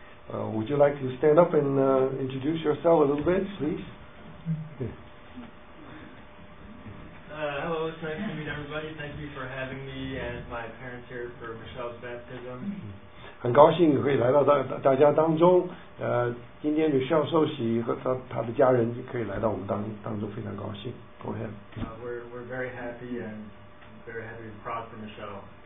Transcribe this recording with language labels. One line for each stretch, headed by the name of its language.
English: Would you like to stand up and introduce yourself a little bit, please? Hello, it's nice to meet everybody. Thank you for having me and my parents here for Michelle's baptism.
Chinese: 很高兴可以来到大家当中。今天就需要受洗和他的家人可以来到我们当中，非常高兴。
English: Go ahead. We're very happy and very happy to be proud of Michelle.